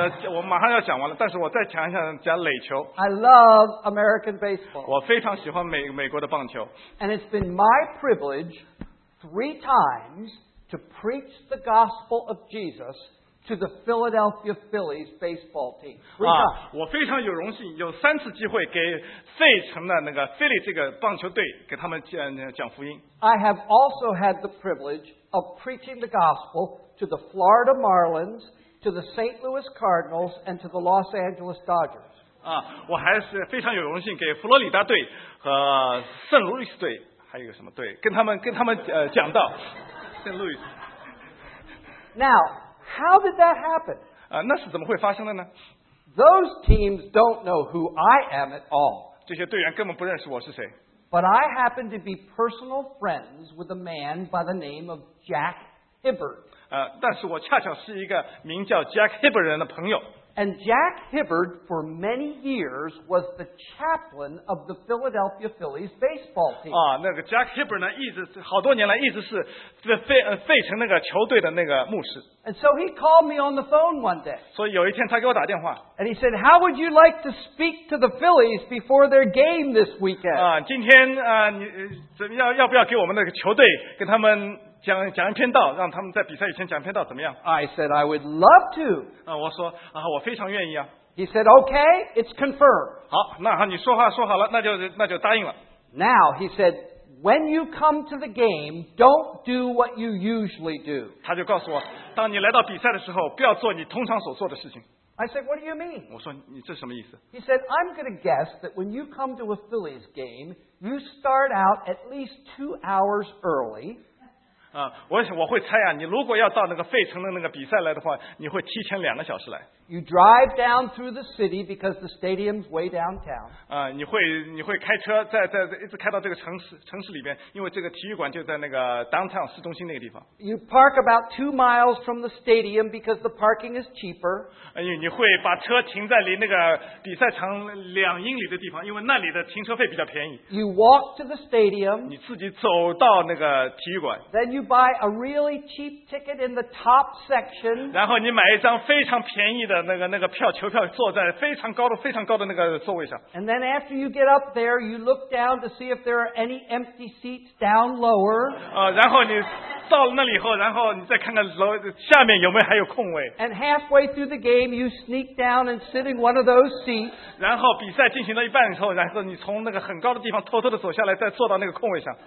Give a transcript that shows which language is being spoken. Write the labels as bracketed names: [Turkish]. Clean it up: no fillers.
[Chinese] 我马上要讲完了，但是我再讲一下讲垒球。 [English] I love American baseball. [Chinese] 我非常喜欢美国的棒球。 [English] And it's been my privilege 3 times. To preach the gospel of Jesus to the Philadelphia Phillies baseball team. [Chinese] 我非常有荣幸有三次机会给费城的那个菲利这个棒球队给他们讲福音。 [English] I have also had the privilege of preaching the gospel to the Florida Marlins, to the St. Louis Cardinals, and to the Los Angeles Dodgers. [Chinese] 我还是非常有荣幸给佛罗里达队和圣路易斯队还有什么队跟他们讲道。 [English] Now, how did that happen? [Chinese] 那是怎么会发生的呢？ [English] Those teams don't know who I am at all. [Chinese] 这些队员根本不认识我是谁。 [English] But I happened to be personal friends with a man by the name of Jack Hibbert. [Chinese] 但是我恰巧是一个名叫 Jack Hibbert 人的朋友。 [English] And Jack Hibbert, for many years, was the chaplain of the Philadelphia Phillies baseball team. [Chinese] 啊，那个 Jack Hibbert 呢，一直好多年来一直是费城那个球队的那个牧师。 [English] And so he called me on the phone one day. [Chinese] 所以有一天他给我打电话。 [English] And he said, "How would you like to speak to the Phillies before their game this weekend?" [Chinese] 啊，今天啊，你怎么要不要给我们那个球队跟他们？讲一篇道，让他们在比赛以前讲篇道，怎么样 [English] ？I said I would love to. [Chinese] 我说我非常愿意啊。 [English] He said, "Okay, it's confirmed." [Chinese] 好，那好，你说话说好了，那就答应了。 [English] Now he said, "When you come to the game, don't do what you usually do." [Chinese] 他就告诉我，当你来到比赛的时候，不要做你通常所做的事情。 [English] I said, "What do you mean?" [Chinese] 我说你这什么意思 [English] ？He said, "I'm going to guess that when you come to a Phillies game, you start out at least 2 hours early." [Chinese] 我会猜啊，你如果要到那个费城的那个比赛来的话，你会提前两个小时来。 [English] You drive down through the city because the stadium's way downtown. [Chinese] 你会开车在一直开到这个城市里边，因为这个体育馆就在那个 downtown 市中心那个地方。 [English] You park about 2 miles from the stadium because the parking is cheaper. [Chinese] 你会把车停在离那个比赛场2英里的地方，因为那里的停车费比较便宜。 [English] You walk to the stadium. [Chinese] 你自己走到那个体育馆。 [English] Then you buy a really cheap ticket in the top section. [Chinese] 然后你买一张非常便宜。那个票球票坐在非常高的那个座位上。 [English] And then after you get up there, you look down to see if there are any empty seats down lower. [Chinese] 然后你到了那里以后，然后你再看看楼下面有没有还有空位。 [English] And halfway through the game, you sneak down and sit in one of those seats. [Chinese] 然后比赛进行到一半以后，然后你从那个很高的地方偷偷的走下来，再坐到那个空位上。